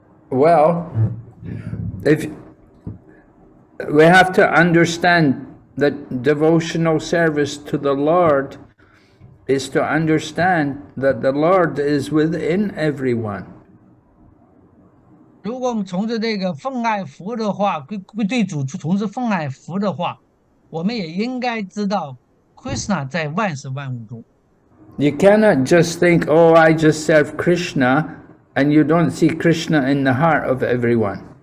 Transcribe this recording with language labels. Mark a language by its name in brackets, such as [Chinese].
[English] Well, if we have to understand that devotional service to the Lord is to understand that the Lord is within everyone. [Chinese] 如果我们从事这个奉爱服的话，对主从事奉爱服的话，我们也应该知道 ，Krishna 在万事万物中。 [English] You cannot just think, "Oh, I just serve Krishna," and you don't see Krishna in the heart of everyone.